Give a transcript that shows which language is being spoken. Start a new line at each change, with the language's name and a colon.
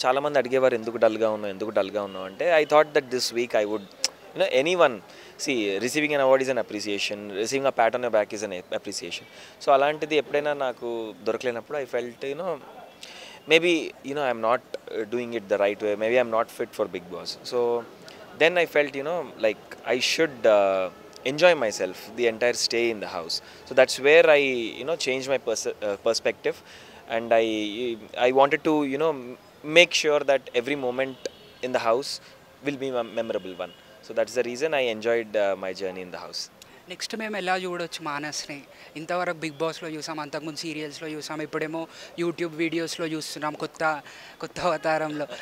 Telugu: చాలామంది అడిగేవారు ఎందుకు డల్గా ఉన్నావు, ఎందుకు డల్గా ఉన్నావు అంటే
English: I thought that this week I would you know anyone see receiving an award is an appreciation, receiving a pat on back is an appreciation. So
Telugu: అలాంటిది ఎప్పుడైనా నాకు దొరకలేనప్పుడు
English: I felt you know maybe you know I'm not doing it the right way, maybe I'm not fit for Big Boss. So then I felt you know like I should enjoy myself the entire stay in the house. So that's where I you know changed my perspective and I wanted to you know make sure that every moment in the house will be a memorable one. So that's the reason I enjoyed my journey in the house.
Telugu: Next మేము ఎలా చూడొచ్చు మానస్ని? ఇంతవరకు big బాస్లో చూసాం, అంతకుముందు సీరియల్స్లో చూసాం, ఇప్పుడేమో యూట్యూబ్ వీడియోస్లో చూస్తున్నాం కొత్త అవతారంలో.